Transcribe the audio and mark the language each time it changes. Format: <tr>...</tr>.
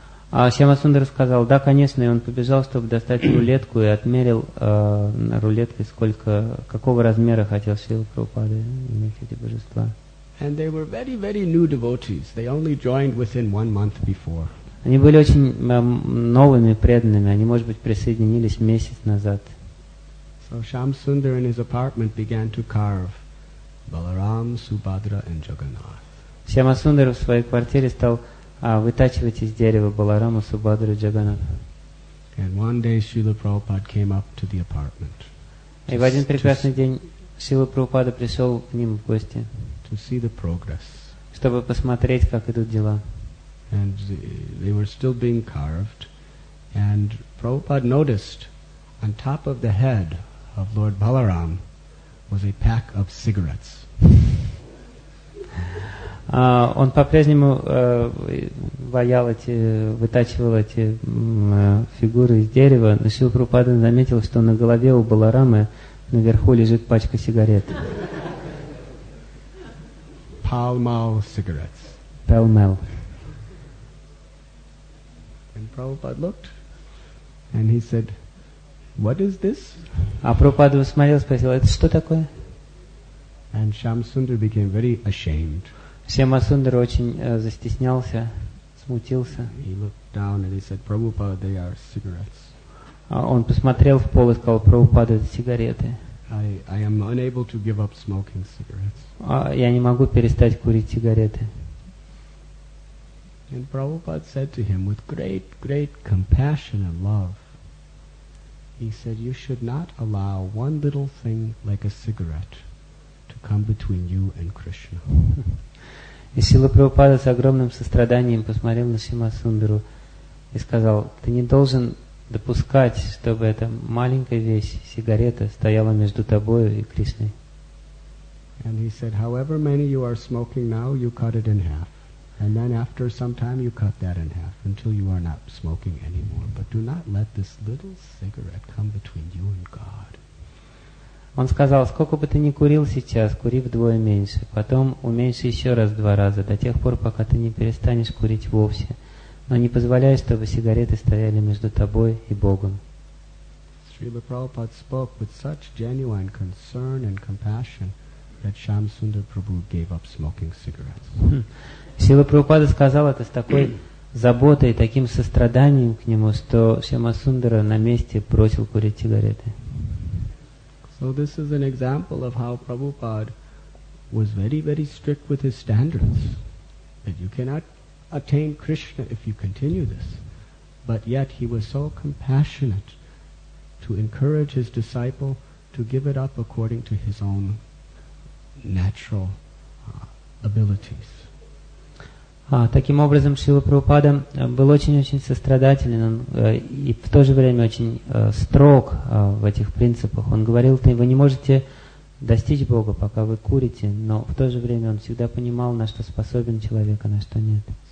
<ru>Шьямасундара сказал, да, конечно, и он побежал, чтобы достать рулетку и отмерил рулеткой сколько какого размера хотел Шрила Прабхупада иметь эти божества.</ru> <en>And they were very, very new devotees. They only joined within 1 month before.</en> <ru>Они были очень новыми преданными. Они, может быть, присоединились месяц назад.</ru> <en>So Shamsundar in his apartment began to carve Balaram, Subhadra, and Jagannath.</en> <ru>Шьямасундар в своей квартире стал вытачивать из дерева Баларама Субхадру Джаганнатха.</ru> <en>And one day Srila Prabhupada came up to the apartment.</en> <ru>И в один прекрасный день Шрила Прабхупада пришел к ним в гости.</ru> <en>To see the progress.</en> <ru>Чтобы посмотреть, как идут дела.</ru> <en>And they were still being carved, and Prabhupada noticed on top of the head of Lord Balaram was a pack of cigarettes.</en> <ru>Он по-прежнему ваял эти, вытачивал эти фигуры из дерева, но Шрила Прабхупада заметил, что на голове у Баларамы наверху лежит пачка сигарет.</ru> <en>Pall Mall cigarettes.</en> <ru>Pall Mall.</ru> <en>And Prabhupada looked, and he said, "What is this?"</en> <ru>А Прабхупада посмотрел, спросил, это что такое?</ru> <en>And Shyamasundar became very ashamed.</en> <ru>Шьямасундар очень застеснялся, смутился.</ru> <en>He looked down and he said, "Prabhupada, they are cigarettes."</en> <ru>Он посмотрел в пол и сказал, Прабхупада, это сигареты.</ru> <en>I am unable to give up smoking cigarettes.</en> <ru>Я не могу перестать курить сигареты.</ru> <en>And Prabhupada said to him with great, great compassion and love, he said, "You should not allow one little thing like a cigarette to come between you and Krishna."</en> <ru>И Шрила Прабхупада с огромным состраданием посмотрел на Шьямасундару и сказал, ты не должен допускать, чтобы эта маленькая вещь, сигарета, стояла между тобой и Кришной.</ru> <en>And he said, however many you are smoking now, you cut it in half. And then after some time you cut that in half until you are not smoking anymore. But do not let this little cigarette come between you and God.</en> <ru>Он сказал, сколько бы ты ни курил сейчас, кури вдвое меньше. Потом уменьши еще раз два раза, до тех пор, пока ты не перестанешь курить вовсе. Но не позволяй, чтобы сигареты стояли между тобой и Богом.</ru> <en>Srila Prabhupada spoke with such genuine concern and compassion that Shyamasundara Prabhu gave up smoking cigarettes.</en> <ru>Srila Prabhupada сказал это с такой заботой, таким состраданием к нему, что Шьямасундара на месте бросил курить сигареты.</ru> <en>So this is an example of how Prabhupada was very, very strict with his standards. That you cannot attain Krishna if you continue this. But yet he was so compassionate to encourage his disciple to give it up according to his own natural abilities.</en> <ru>Таким образом, Шрила Прабхупада был очень-очень сострадателен и в то же время очень строг в этих принципах. Он говорил, что вы не можете достичь Бога, пока вы курите, но в то же время он всегда понимал, на что способен человек, а на что нет.</ru>